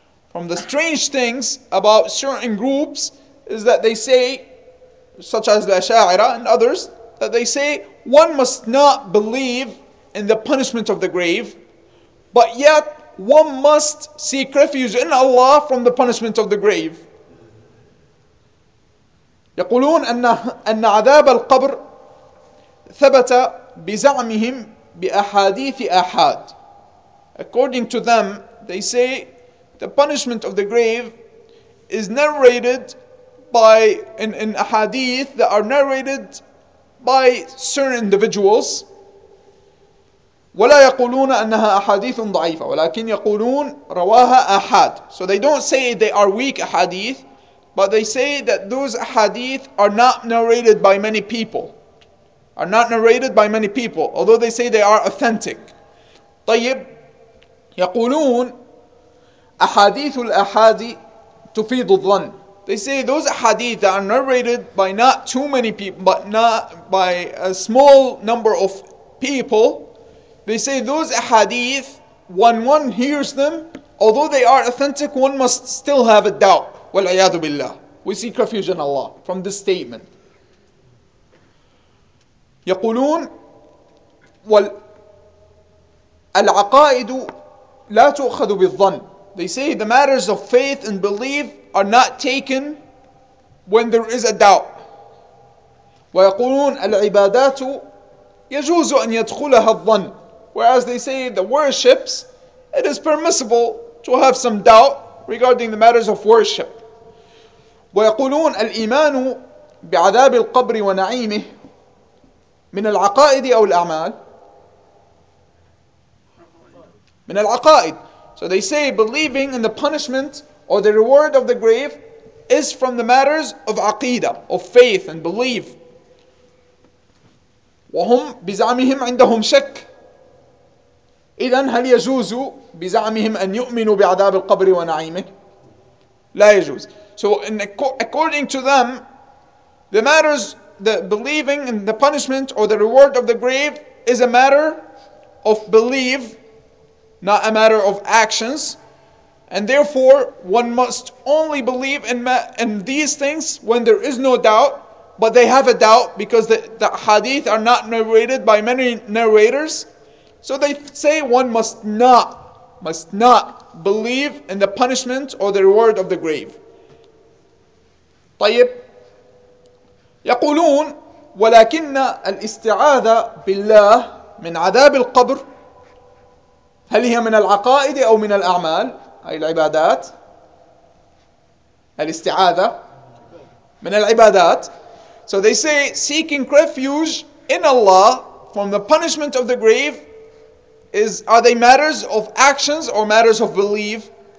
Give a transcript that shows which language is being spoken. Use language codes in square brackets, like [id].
[en] From the strange things about certain groups is that they say, such as the Ash'ari and others, that they say one must not believe in the punishment of the grave, but yet one must seek refuge in Allah from the punishment of the grave. [ar] يقولون أن عذاب القبر ثبت بزعمهم بأحاديث آحاد. [en] According to them, they say the punishment of the grave is narrated by in ahadith that are narrated by certain individuals. [ar] ولا يقولون أنها أحاديث ضعيفة ولكن يقولون رواها آحاد. [en] So they don't say they are weak ahadith, but they say that those ahadith are not narrated by many people. Are not narrated by many people, although they say they are authentic. [ar] طيب يقولون أحاديث الأحادي تفيد الظن. [en] They say those ahadith that are narrated by not too many people, but not by a small number of people, they say those ahadith, when one hears them, although they are authentic, one must still have a doubt. [ar] وَالْعَيَادُ بِاللَّهِ. [en] We seek refuge in Allah from this statement. [ar] يقولون والعقائد لا تؤخذ بالظن. [en] They say the matters of faith and belief are not taken when there is a doubt. [ar] ويقولون العبادات يجوز أن يدخلها الظن. [en] Whereas they say the worships, it is permissible to have some doubt regarding the matters of worship. [ar] ويقولون الإيمان بعذاب القبر ونعيمه من العقائد أو الأعمال من العقائد. [en] So they say believing in the punishment or the reward of the grave is from the matters of عقيدة, of faith and belief. [ar] وهم بزعمهم عندهم شك. إذن هل يجوز بزعمهم أن يؤمنوا بعذاب القبر ونعيمه؟ لا يجوز. [en] So in according to them, the matters, the believing in the punishment or the reward of the grave is a matter of belief, not a matter of actions. And therefore, one must only believe in these things when there is no doubt, but they have a doubt because the hadith are not narrated by many narrators. So they say one must not believe in the punishment or the reward of the grave. [ar] طيب يقولون ولكن الاستعاذة بالله من عذاب القبر هل هي من العقائد أو من الأعمال أي العبادات الاستعاذة من العبادات. [en] So they say seeking refuge in Allah from the punishment of the grave is, are they matters of actions or matters of belief?